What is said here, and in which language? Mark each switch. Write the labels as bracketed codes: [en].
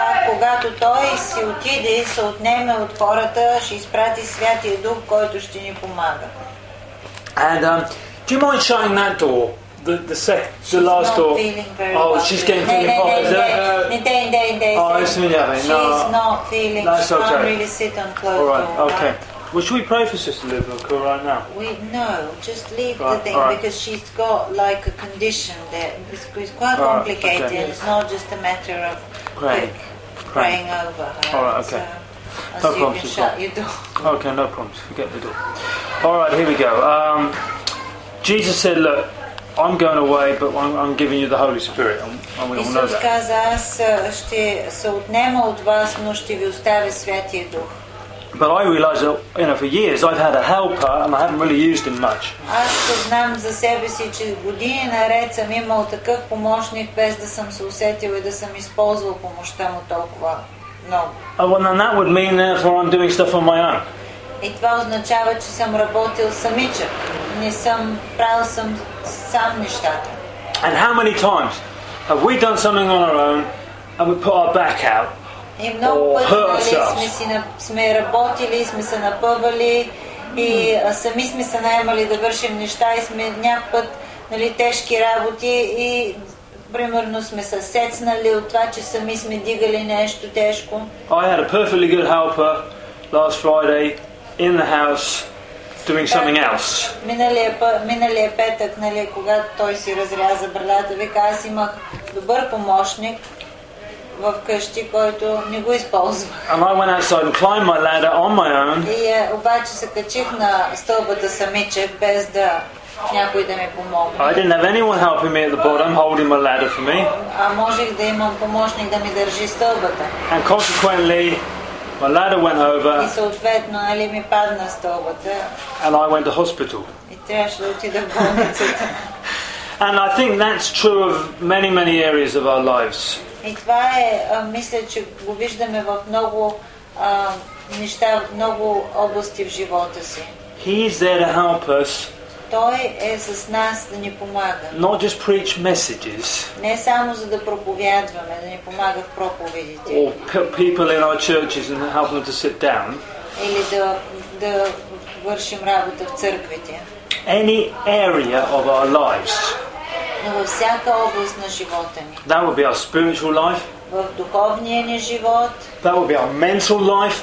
[bg] Когато той си отиде, се отнеме от хората, ще изпрати Святия Дух, който ще ни помага. [en] And do you mind shutting that door? The last door. Oh, she's getting feeling hot. She's not feeling. Can't really sit on close door. All right. Okay. Well, should we pray for Sister Liverpool right now? No, just leave the thing. Because she's got like a condition that is quite complicated. Okay. It's not just a matter of praying over her. All right, okay. So, no problems. Shut your door. Okay, no problems. Forget the door. All right, here we go. Jesus said, look, I'm going away, but I'm giving you the Holy Spirit. And we all know that. But I realize that, you know, for years I've had a helper and I haven't really used him much. [bg] Аз знам за себе си, че години наред съм имал такъв помощник, без да съм се усетил и да съм използвал помощта му толкова много. [en] Well, then that would mean therefore I'm doing stuff on my own. [bg] И това означава, че съм работил самичък. Не съм правил сам нещата. [en] And how many times have we done something on our own and we put our back out? [bg] И много пъти сме работили, сме се напъвали и сами сме се наемали да вършим неща и сме някакъв път, нали, тежки работи и примерно сме се сецнали от това, че сами сме дигали нещо тежко. [en] I had a perfectly good helper last Friday in the house doing something else. [bg] Миналия петък, нали, когато той си разряза брадата, вика, аз имах добър помощник в къщи, който не го използва. [en] And I went outside and climbed my ladder on my own. [bg] И обаче се качих на стълбата самичък, без да някой да ми помогне. [en] I didn't have anyone helping me at the bottom, holding my ladder for me. [bg] А можех да имам помощник да ми държи стълбата. [en] And consequently, my ladder went over. [bg] И съответно, нали, ми падна стълбата. [en] And I went to hospital. [bg] И трябваше да отида в болницата. [en] And I think that's true of many, many areas of our lives. [bg] И това е, мисля, че го виждаме в много неща, в много области в живота си. [en] He is there to help us [bg] Той е с нас да ни помага. [en] Not just preach messages. [bg] Не само за да проповядваме, да ни помага в проповедите. [en] Or put people in our churches and help them to sit down. [bg] Или да да вършим работа в църквите. [en] Any area of our lives. [bg] Но във всяка област на живота ни. [en] That would be our spiritual life. [bg] В духовния ни живот. [en] That would be our mental life.